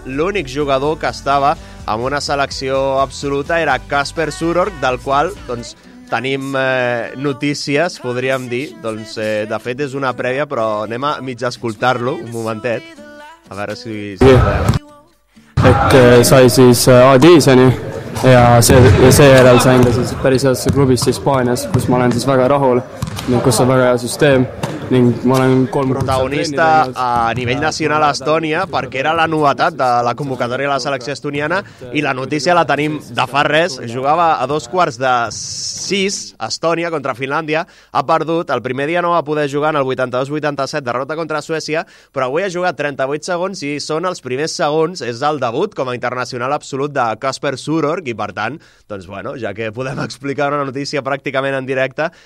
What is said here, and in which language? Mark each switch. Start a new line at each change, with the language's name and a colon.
Catalan: L'únic jugador que estava amb una selecció absoluta era Kasper Surorg, del qual doncs tenim notícies, podríem dir, doncs de fet és una prèvia, però anem a mig escoltar-lo un momentet.
Spanish: A ver si... Sí, que sois odi, seni.
Estonian: Ja seejärel sain ka siis päris heas klubis Hispaanias, kus ma olen siis väga rahul ning kus on väga hea süsteem.
Catalan: Protagonista a nivell nacional a Estònia, perquè era la novetat de la convocatòria de la selecció estoniana, i la notícia la tenim de fa res. Jugava a 6:15 a Estònia contra Finlàndia, ha perdut, el primer dia no va poder jugar en el 82-87, derrota contra Suècia, però avui ha jugat 38 segons i són els primers segons, és el debut com a internacional absolut de Kasper Surorg, i per tant, doncs bueno, ja que podem explicar una notícia pràcticament en directe,